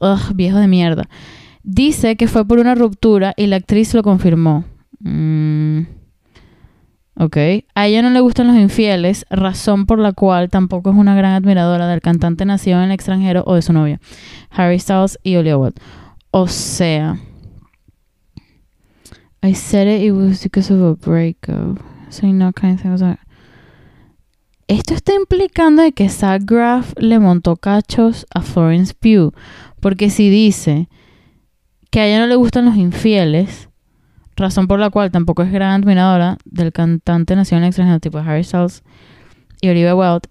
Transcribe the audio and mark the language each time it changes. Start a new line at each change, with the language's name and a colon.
Spanish: ¡Ugh, viejo de mierda! Dice que fue por una ruptura y la actriz lo confirmó. Okay. A ella no le gustan los infieles, razón por la cual tampoco es una gran admiradora del cantante nacido en el extranjero o de su novia, Harry Styles y Olivia Wilde. O sea,
English: I said it was because of a breakup. So you know kind of things are...
Spanish: Esto está implicando de que Zach Graff le montó cachos a Florence Pugh, porque si dice que a ella no le gustan los infieles, razón por la cual tampoco es gran admiradora del cantante nacional extranjero tipo Harry Styles y Olivia Wilde.